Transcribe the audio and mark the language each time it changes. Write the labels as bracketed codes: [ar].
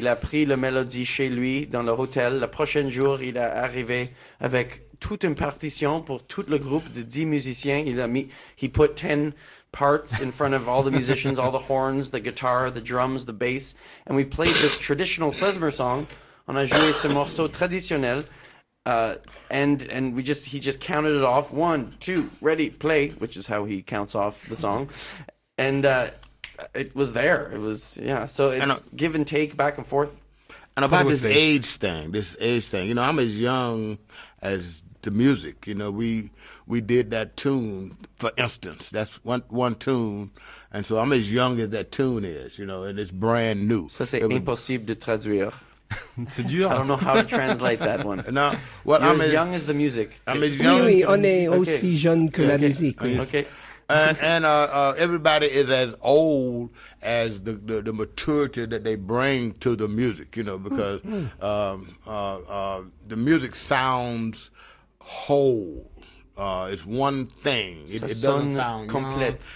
[fr] Il a pris la mélodie chez lui dans le hôtel. Le prochain jour, il est arrivé avec toute une partition pour tout le groupe de 10 musiciens. [en] He put 10 parts in front of all the musicians, all the horns, the guitar, the drums, the bass. And we played this traditional klezmer song. On a joué ce morceau traditionnel. And we just he just counted it off. 1, 2, ready, play, which is how he counts off the song. And it was there. It was, yeah. So it's and give and take, back and forth. And about this age thing, you know, I'm as young as the music. You know, we did that tune, for instance. That's one tune. And so I'm as young as that tune is, you know, and it's brand new. [fr] Ça, c'est impossible de traduire. C'est dur. [en] I don't know how to translate that one. No, well, you're as young as the music. I'm as young. [fr] Oui, on est aussi jeune que la musique. [en] Okay. And everybody is as old as the maturity that they bring to the music, you know, because the music sounds whole. It's one thing. It doesn't sound complet.